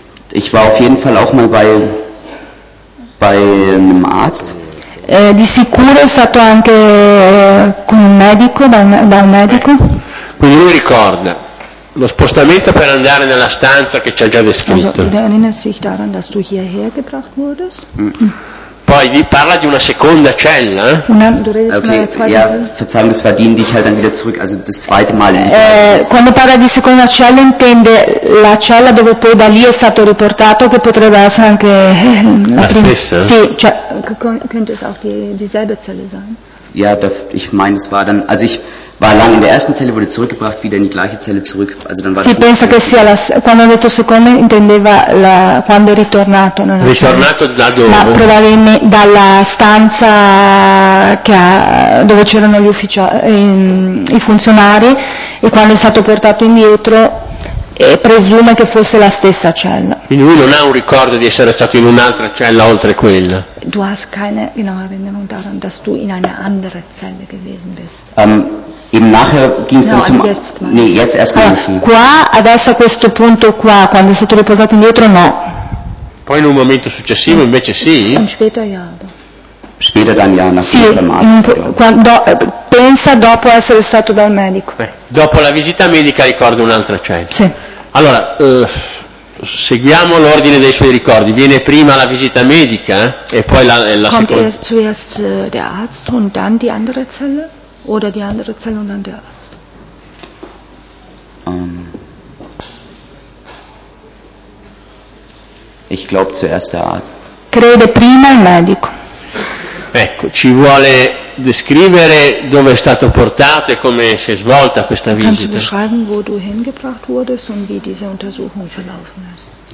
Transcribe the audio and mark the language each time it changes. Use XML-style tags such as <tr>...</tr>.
<de>Ich war auf jeden Fall auch mal bei einem Arzt.</de> <it>Di sicuro è stato anche con un medico, da un medico. Quindi lui ricorda lo spostamento per andare nella stanza che ci ha già descritto.</it> <de>Also, erinnert sich daran, dass du hierher gebracht wurdest.</de> <it>Poi vi parla di una seconda cella.</it> <de>Verzeihung, das war die, die ich halt dann wieder zurück, also das zweite Mal.</de> <it>Quando parla di seconda cella intende la cella dove poi da lì è stato riportato, che potrebbe essere anche la prima. Stessa? Sì, cioè,</it> <de>könnte es auch dieselbe Zelle sein. Ja, ich meine, es war dann, also ich war lange in der ersten Zelle, wurde zurückgebracht, wieder in die gleiche Zelle zurück. Also dann war</de> <it>sì, penso che sia la, quando ha detto seconda intendeva la, quando è ritornato nella ritornato cella. Da dove? Ma probabilmente dalla stanza dove c'erano gli i funzionari e quando è stato portato indietro presume che fosse la stessa cella. Quindi lui non ha un ricordo di essere stato in un'altra cella oltre quella.</it> <de>Du hast keine Erinnerung daran, dass du in eine andere Zelle gewesen bist. Eben nachher ging es</de> <it>no,</it> <de>dann zum jetzt mal. Nee, jetzt erst</de> <it>allora, qua adesso a questo punto qua quando è stato riportato indietro no. Poi in un momento successivo invece sì.</it> <de>Und später ja. Später dann ja, nach</de> <it>sì, quando pensa dopo essere stato dal medico. Dopo la visita medica ricorda un'altra cella. Sì. Allora, seguiamo l'ordine dei suoi ricordi. Viene prima la visita medica e poi la</it> <de>kommt</de> <it>seconda.</it> <de>Kommt zuerst der Arzt und dann die andere Zelle? Oder die andere Zelle und dann der Arzt? Ich glaube zuerst der Arzt.</de> <it>Crede prima il medico. Ecco, ci vuole descrivere dove è stato portato e come si è svolta questa visita.</it> <de>Kannst du beschreiben, wo du hingebracht wurdest und wie diese Untersuchung verlaufen ist?</de>